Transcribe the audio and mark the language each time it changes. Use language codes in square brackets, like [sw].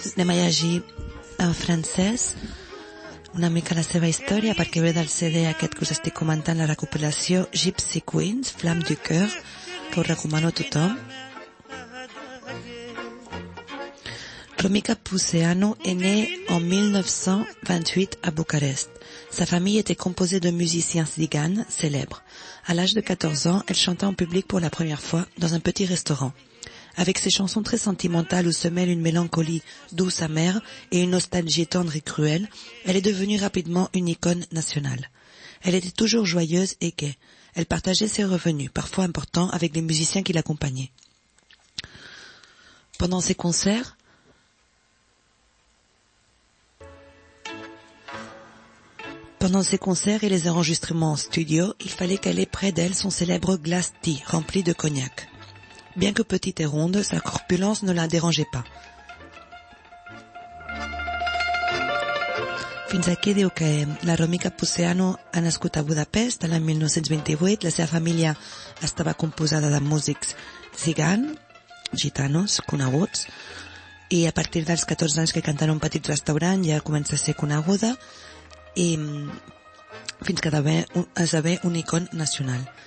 [ca] Anem a llegir en francès una mica la seva història perquè ve del CD aquest que us estic comentant, la recopilació Gypsy Queens, Flamme du Coeur, que us recomano a tothom. [fr] Romica Puseanu est née en 1928 à Bucarest. Sa famille était composée de musiciens tziganes célèbres. À l'âge de 14 ans, elle chanta en public pour la première fois dans un petit restaurant. Avec ses chansons très sentimentales où se mêlent une mélancolie douce amère et une nostalgie tendre et cruelle, elle est devenue rapidement une icône nationale. Elle était toujours joyeuse et gaie. Elle partageait ses revenus, parfois importants, avec les musiciens qui l'accompagnaient. Pendant ses concerts, et les enregistrements en studio, il fallait qu'elle ait près d'elle son célèbre glass tea, rempli de cognac. Bien que petite et ronde, sa corpulence ne la dérangeait pas. [ca] Fins aquí diu que la Romica Puseanu ha nascut a Budapest l'any 1928. La seva família estava composada de músics cigans, gitanos, coneguts, i a partir dels 14 anys que canta en un petit restaurant ja comença a ser coneguda, i fins que esdevé un icon nacional.